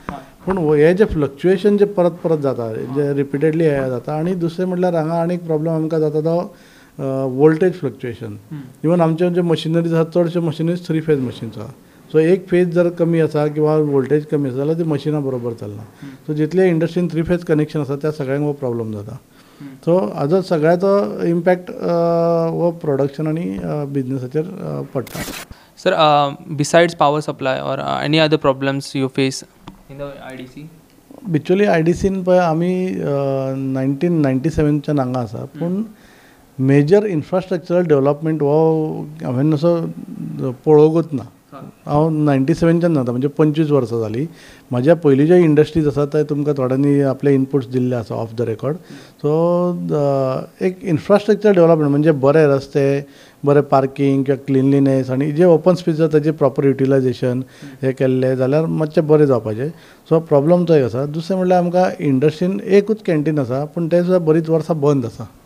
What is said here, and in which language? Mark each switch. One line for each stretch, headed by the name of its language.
Goan Konkani: पूण हे जे फ्लक्चुएशन जे परत परत जाता, जे रिपिटेडली हे जाता. आनी दुसरें म्हणल्यार हांगा आनी एक प्रॉब्लम आमकां जाता तो वोल्टेज फ्लक्चुएशन. इवन आमचे जे मशिनरी आसा चडशे मशिनरी 3-phase मशीन्स आसा, सो एक फेज जर कमी आसा किंवां वोल्टेज कमी आसा जाल्यार ती मशिनां बरोबर चलना. सो जितले इंडस्ट्रीन 3-phase कनेक्शन आसा त्या सगळ्यांक हो प्रॉब्लम जाता. सो हाजो सगळ्याचो इम्पॅक्ट हो प्रोडक्शन आनी बिजनसाचेर पडटा.
English: Sir besides power supply or any other problems you face in the I D C?
Goan Konkani: बिचुली I D scene पळय आमी 1997 हांगा आसा, पूण मेजर इन्फ्रास्ट्रक्चरल डेवलॉपमेंट हो हांवें असो पळोवंकूच ना. हांव 1997 जाता म्हणजे 25 वर्सां जाली. म्हज्या पयलीं जे इंडस्ट्रीज आसा ते तुमकां थोड्यांनी आपले इनपुट्स दिल्ले आसा ऑफ द रेकॉर्ड.
Marathi: सो एक इन्फ्रास्ट्रक्चर डेवलॉपमेंट म्हणजे बरे रस्ते, बरे पार्किंग किंवा क्लिनलीनेस आणि जे ओपन स्पेस आहे त्याचे प्रॉपर युटिलायझेशन हे केले झाल्यावर
Goan Konkani: मातशे बरे जावपाचे. सो प्रॉब्लम तो एक असा. दुसरे म्हणल्यार आमकां इंडस्ट्रीन एकूच कॅन्टीन असा, पण ते सुद्धा बरीच वर्सां बंद असा.